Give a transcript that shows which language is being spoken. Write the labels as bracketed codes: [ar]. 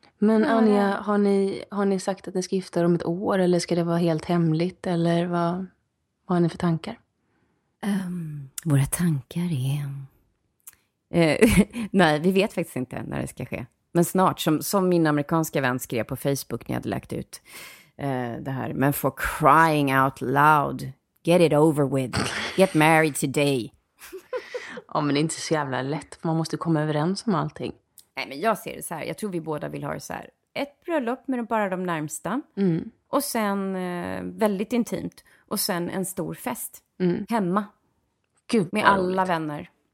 [sv] Men Anja, har ni sagt att ni ska gifta om ett år? Eller ska det vara helt hemligt? Eller vad har ni för tankar? Våra tankar är... nej, vi vet faktiskt inte när det ska ske. Men snart, som min amerikanska vän skrev på Facebook när jag hade lagt ut... det här, men [en] for crying out loud, get it over with, get married today. [sv] Ja, men det är inte så jävla lätt, för man måste komma överens om allting. Nej, men jag ser det så här, jag tror vi båda vill ha det så här, ett bröllop med bara de närmsta. Mm. Och sen väldigt intimt. Och sen en stor fest. Mm. Hemma. Gud, med alla vänner.